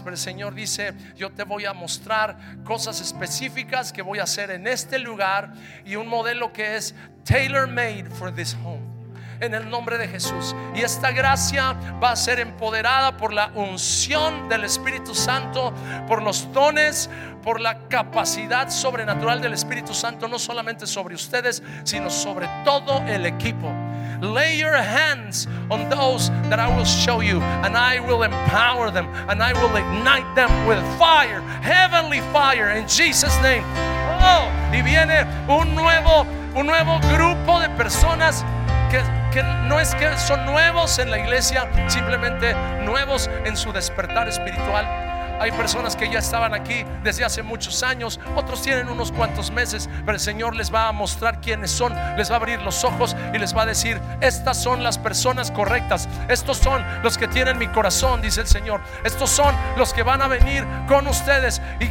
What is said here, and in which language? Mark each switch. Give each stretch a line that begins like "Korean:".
Spanish: Pero el Señor dice: yo te voy a mostrar cosas específicas que voy a hacer en este lugar, y un modelo que es
English: tailor made for this home,
Spanish: en el nombre de Jesús. Y esta gracia va a ser empoderada por la unción del Espíritu Santo, por los dones, por la capacidad sobrenatural del Espíritu Santo, no solamente sobre ustedes, sino sobre todo el equipo.
English: Lay your hands on those that I will show you, and I will empower them, and I will ignite them with fire, heavenly fire, in Jesus' name.
Spanish: Oh, y viene un nuevo grupo de personas que no es que son nuevos en la iglesia, simplemente nuevos en su despertar espiritual. Hay personas que ya estaban aquí desde hace muchos años, otros tienen unos cuantos meses, pero el Señor les va a mostrar quiénes son, les va a abrir los ojos y les va a decir: estas son las personas correctas, estos son los que tienen mi corazón, dice el Señor, estos son los que van a venir con ustedes,